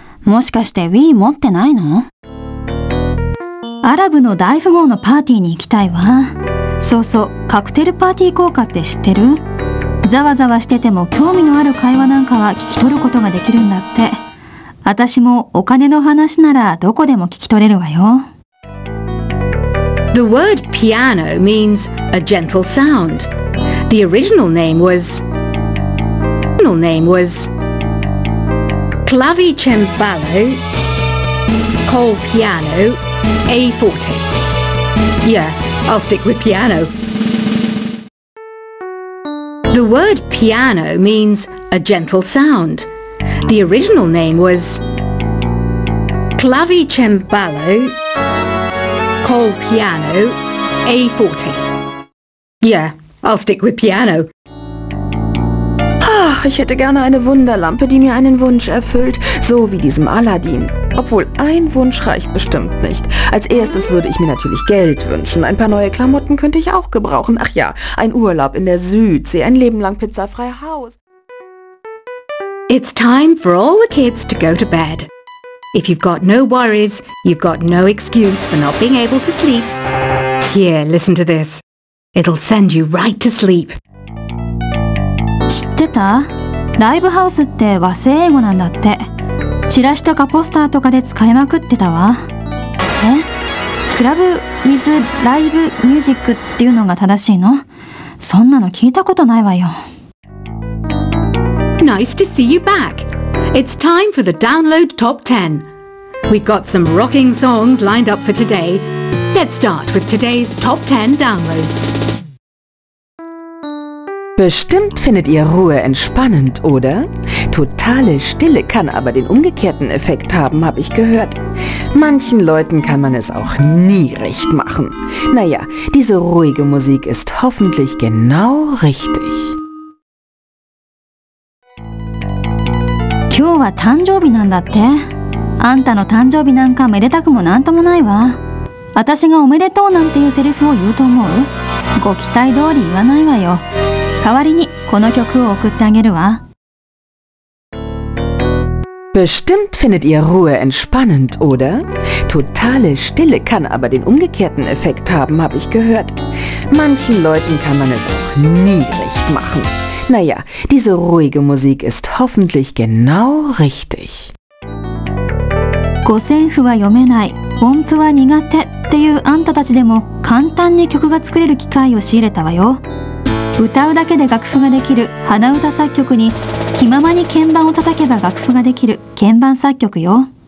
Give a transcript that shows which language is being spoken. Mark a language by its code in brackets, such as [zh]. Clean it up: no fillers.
[ja] もしかして Wii 持ってないの？アラブの大富豪のパーティーに行きたいわ。そうそう、カクテルパーティー効果って知ってる？ざわざわしてても興味のある会話なんかは聞き取ることができるんだって。私もお金の話ならどこでも聞き取れるわよ。 [en] The word piano means a gentle sound. The original name was... The original name was... Clavicembalo called piano A forte. Yeah, I'll stick with piano. The word piano means a gentle sound. The original name was Clavicembalo called piano A forte. Yeah, I'll stick with piano. [de] Ach, ich hätte gerne eine Wunderlampe, die mir einen Wunsch erfüllt, so wie diesem Aladdin. Obwohl, ein Wunsch reicht bestimmt nicht. Als erstes würde ich mir natürlich Geld wünschen. Ein paar neue Klamotten könnte ich auch gebrauchen. Ach ja, ein Urlaub in der Südsee, ein Leben lang pizzafrei Haus. [en] It's time for all the kids to go to bed. If you've got no worries, you've got no excuse for not being able to sleep. Here, listen to this. It'll send you right to sleep. [ja] 知ってた？ライブハウスって和製英語なんだって。チラシとかポスターとかで使いまくってたわ。え？クラブ with ライブミュージックっていうのが正しいの？そんなの聞いたことないわよ。 [en] Nice to see you back. It's time for the download top 10. We've got some rocking songs lined up for today. Let's start with today's top 10 downloads. [de] Bestimmt findet ihr Ruhe entspannend, oder? Totale Stille kann aber den umgekehrten Effekt haben, habe ich gehört. Manchen Leuten kann man es auch nie recht machen. Naja, diese ruhige Musik ist hoffentlich genau richtig. [ja] 今日は誕生日なんだって。あんたの誕生日なんかめでたくもなんともないわ。私がおめでとうなんていうセリフを言うと思う？ご期待通り言わないわよ。代わりにこの曲を送ってあげるわ。 [de] Bestimmt findet ihr Ruhe entspannend, oder? Totale Stille kann aber den umgekehrten Effekt haben, habe ich gehört. Manchen Leuten kann man es auch nie recht machen. Naja, diese ruhige Musik ist hoffentlich genau richtig. [ja] 五線譜は読めない、音符は苦手っていうあんたたちでも簡単に曲が作れる機会を仕入れたわよ。歌うだけで楽譜ができる鼻歌作曲に、気ままに鍵盤を叩けば楽譜ができる鍵盤作曲よ。